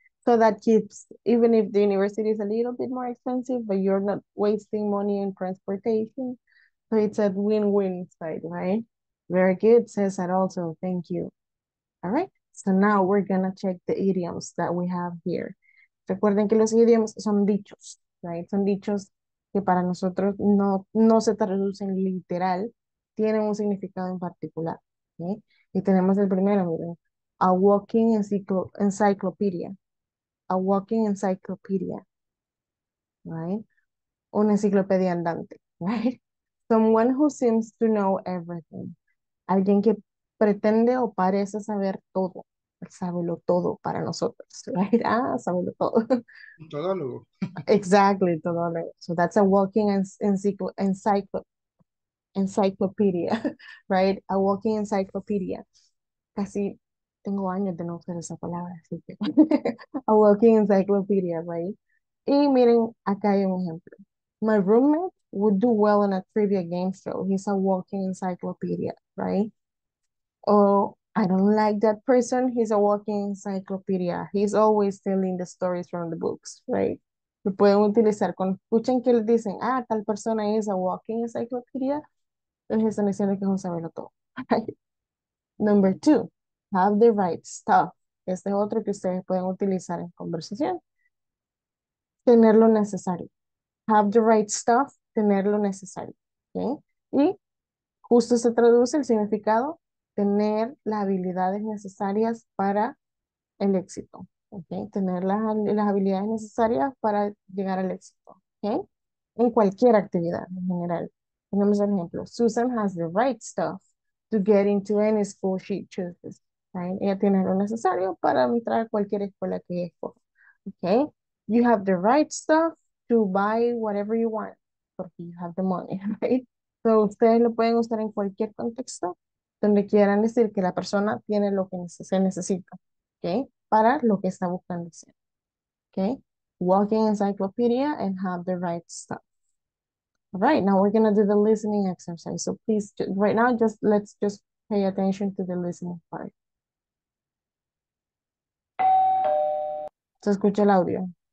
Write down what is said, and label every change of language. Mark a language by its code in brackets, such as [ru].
[en] So that keeps, even if the university is a little bit more expensive, but you're not wasting money in transportation. So it's a win-win side, right? Very good, says that also, thank you. All right. So now we're going to check the idioms that we have here. [es] Recuerden que los idioms son dichos, right? Son dichos que para nosotros no se traducen literal, tienen un significado en particular, ¿sí? Y tenemos el primero, miren, a walking encyclopedia. [en] A walking encyclopedia, right? [es] Una enciclopedia andante, [en] right? Someone who seems to know everything. [es] Alguien que pretende o parece saber todo. Sábelo todo para nosotros, right? Ah, sábelo todo. Todólogo. [en] Exactly, todólogo. So that's a walking encyclopedia, right? A walking encyclopedia. [es] Casi tengo años de no usar esa palabra, así que. [en] A walking encyclopedia, right? [es] Y miren, acá hay un ejemplo. [en] My roommate would do well in a trivia game show. He's a walking encyclopedia, right? I don't like that person. He's a walking encyclopedia. He's always telling the stories from the books, right? [es] Lo pueden utilizar con, escuchen que le dicen, ah, tal persona es a walking encyclopedia. Entonces están diciendo que es un saberlo todo. [en] Number two, have the right stuff. [es] Este es otro que ustedes pueden utilizar en conversación. Tener lo necesario. [en] Have the right stuff, [es] tener lo necesario. ¿Okay? Y justo se traduce el significado. Tener las habilidades necesarias para el éxito, okay? Tener las habilidades necesarias para llegar al éxito, okay? En cualquier actividad en general. Tenemos el ejemplo. [en] Susan has the right stuff to get into any school she chooses, right? [es] Ella tiene lo necesario para entrar a cualquier escuela que ella escoja, okay? [en] You have the right stuff to buy whatever you want because you have the money, right? [es] So ustedes lo pueden usar en cualquier contexto donde quieran decir que la persona tiene lo que se necesita, okay, para lo que está buscando hacer, okay. [en] Walking encyclopedia and have the right stuff. All right, now we're gonna do the listening exercise. So please, right now, let's just pay attention to the listening part. [es] ¿Se escucha el audio?